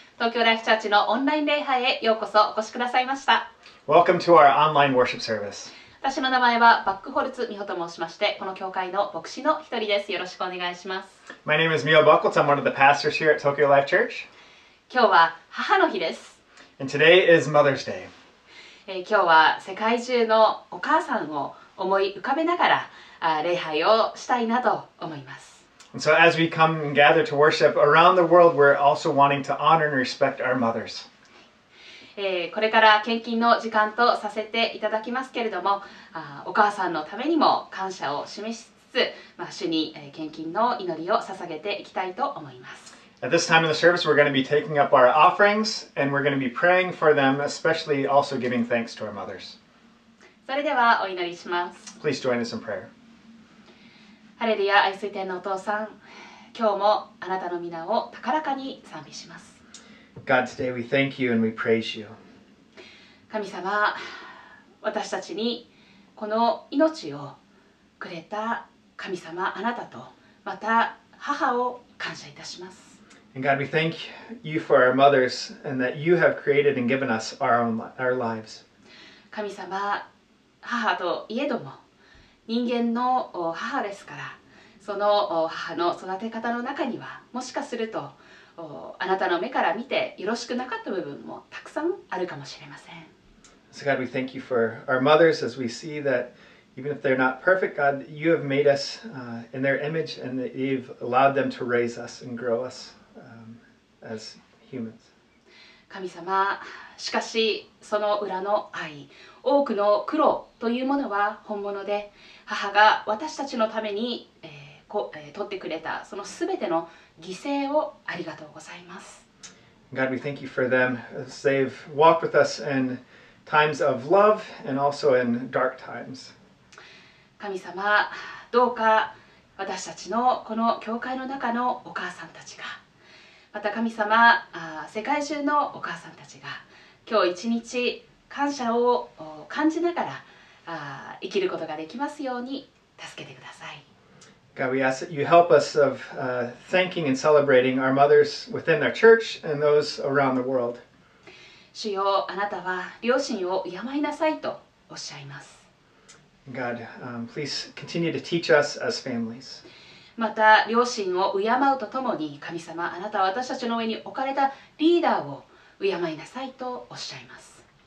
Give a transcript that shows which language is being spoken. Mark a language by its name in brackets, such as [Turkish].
[Japanese] 東京ライフチャーチのオンライン礼拝へようこそお越しくださいました。 [English] Welcome to our online worship service. [Japanese] 私の名前はバックホルツ美穂と申しまして、この教会の牧師の一人です。よろしくお願いします。 [English] My name is Mio Buckles. I'm one of the pastors here at Tokyo Life Church. [Japanese] 今日は母の日です。 [English] And today is Mother's Day. [Japanese] 今日は世界中のお母さんを思い浮かべながら礼拝をしたいなと思います。 [English] And so as we come and gather to worship around the world, we're also wanting to honor and respect our mothers. [Japanese] これから献金の時間とさせていただきますけれども、お母さんのためにも感謝を示しつつ、主に献金の祈りを捧げていきたいと思います。 [English] At this time in the service, we're going to be taking up our offerings, and we're going to be praying for them, especially also giving thanks to our mothers. [Japanese] それではお祈りします。 [English] Please join us in prayer. [Japanese] ハレルヤ、愛する天のお父さん、今日もあなたの皆を高らかに賛美します。 [English] God, today we thank you and we praise you. [Japanese] 神様、私たちにこの命をくれた神様、あなたと、また母を感謝いたします。 [English] And God, we thank you for our mothers and that you have created and given us our lives. [Japanese] 神様、母といえども、人間の母ですから、その母の育て方の中にはもしかするとあなたの目から見てよろしくなかった部分もたくさんあるかもしれません。 [English] So God, we thank you for our mothers as we see that even if they're not perfect, God, you have made us in their image and that you've allowed them to raise us and grow us as humans. [Japanese] 神様、しかしその裏の愛、多くの苦労というものは本物で、母が私たちのために、取ってくれたそのすべての犠牲をありがとうございます。 [English] God, we thank you for them as they've walked with us in times of love and also in dark times. [Japanese] 神様、どうか私たちのこの教会の中のお母さんたちが、また神様、世界中のお母さんたちが今日一日感謝を感じながら生きることができますように助けてください。 [English] God, we ask that you help us of thanking and celebrating our mothers within our church and those around the world. [Japanese] 主よ、あなたは両親を敬いなさいとおっしゃいます。 [English] God, please continue to teach us as families. [Japanese] また両親を敬うとともに、神様、あなたは私たちの上に置かれたリーダーを敬いなさいとおっしゃいます。